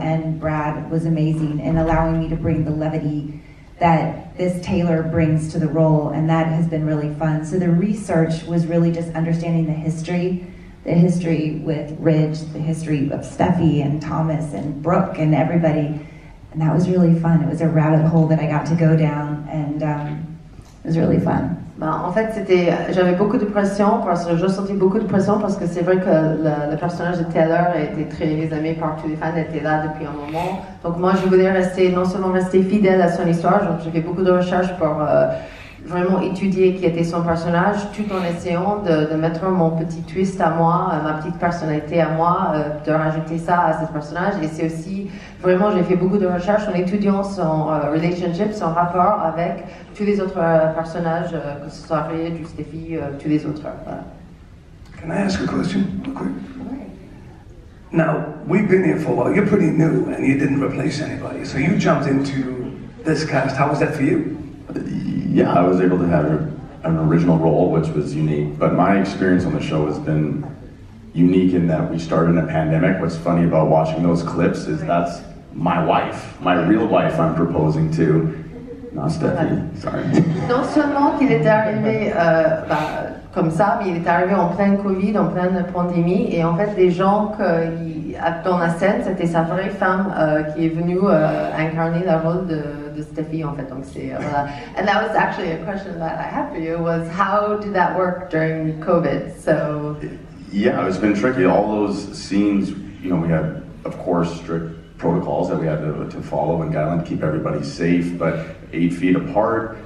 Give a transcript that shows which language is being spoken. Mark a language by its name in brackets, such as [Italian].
[English] And Brad was amazing in allowing me to bring the levity that this Taylor brings to the role, and that has been really fun. So the research was really just understanding the history with Ridge, the history of Steffi and Thomas and Brooke and everybody. And that was really fun. It was a rabbit hole that I got to go down, and it was really fun. [French] En fait, j'avais beaucoup de pression parce que je sentais beaucoup de pression parce que c'est vrai que le personnage de Taylor était très aimé par tous les fans. Elle était là depuis un moment. Donc moi, je voulais rester fidèle à son histoire. Donc j'ai fait beaucoup de recherches pour vraiment étudier qui était son personnage, tout en essayant de mettre mon petit twist à moi, ma petite personnalité à moi, de rajouter ça à ce personnage. Et c'est aussi, vraiment, j'ai fait beaucoup de recherches en étudiant son relationship, son rapport avec tous les autres personnages, que ce soit Ray, Steffi, tous les autres. [English] Voilà. Can I ask a question, real quick? Now, we've been here for a while. You're pretty new, and you didn't replace anybody. So you jumped into this cast. How was that for you? Yeah, I was able to have an original role, which was unique. But my experience on the show has been unique in that we started in a pandemic. What's funny about watching those clips is that's my wife, my real wife I'm proposing to. Non, Stephanie, sorry. [French] Non seulement qu'il est arrivé comme ça, mais il est arrivé en plein COVID, en pleine pandémie, et en fait, les gens dans la scène, c'était sa vraie femme qui est venue incarner le rôle de Stephanie, en fait. Donc c'est, voilà. [English] And that was actually a question that I had for you, was how did that work during COVID? So... Yeah, it's been tricky. All those scenes, you know, we had, of course, strict protocols that we had to follow and guideline to keep everybody safe, but 8 feet apart.